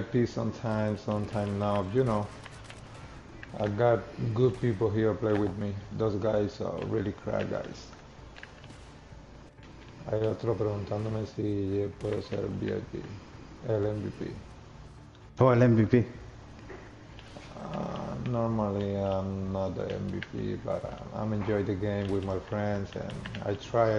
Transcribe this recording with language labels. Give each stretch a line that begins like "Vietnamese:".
English: Sometimes now, you know, I got good people here play with me. Those guys are really crack guys.
Spanish: Hay otro preguntándome si puedo ser VIP, el MVP. Oh, el MVP.
English: Normally, I'm not the MVP, but I'm enjoy the game with my friends and I try.